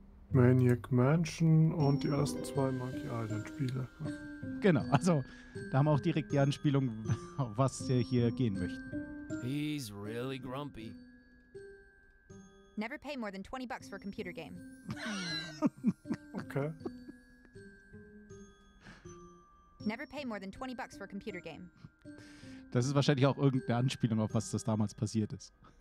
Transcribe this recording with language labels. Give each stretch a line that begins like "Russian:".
German: Maniac Mansion und die ersten zwei Monkey Island Spiele. Genau, also da haben wir auch direkt die Anspielung, auf was wir hier gehen möchten.
English: He's really grumpy. Never pay more than 20 bucks for a computer game. Okay. Never pay more than 20 bucks for a computer game.
German: Das ist wahrscheinlich auch irgendeine Anspielung auf was das damals passiert ist.